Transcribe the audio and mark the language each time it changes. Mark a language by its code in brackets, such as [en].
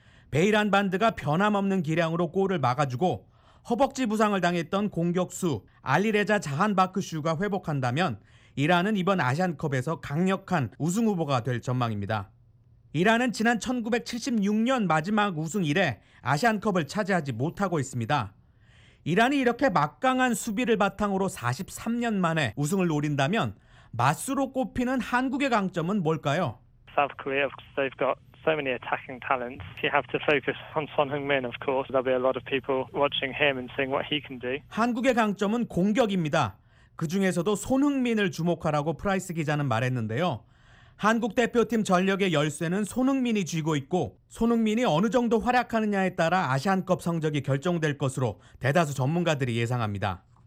[ko] 베이란 반드가 변함없는 기량으로 골을 막아주고 허벅지 부상을 당했던 공격수 알리레자 자한바크슈가 회복한다면 이란은 이번 아시안컵에서 강력한 우승후보가 될 전망입니다. 이란은 지난 1976년 마지막 우승 이래 아시안컵을 차지하지 못하고 있습니다. 이란이 이렇게 막강한 수비를 바탕으로 43년 만에 우승을 노린다면 맛수로 꼽히는 한국의 강점은 뭘까요? [en] South Korea, they've got so many attacking talents. You have to focus on Son Heung-min, of course. There'll be a lot of people watching him and seeing what he can do. [ko] 한국의 강점은 공격입니다. 그 중에서도 손흥민을 주목하라고 프라이스 기자는 말했는데요. 한국 대표팀 전력의 열쇠는 손흥민이 쥐고 있고 손흥민이 어느 정도 활약하느냐에 따라 아시안컵 성적이 결정될 것으로 대다수 전문가들이 예상합니다.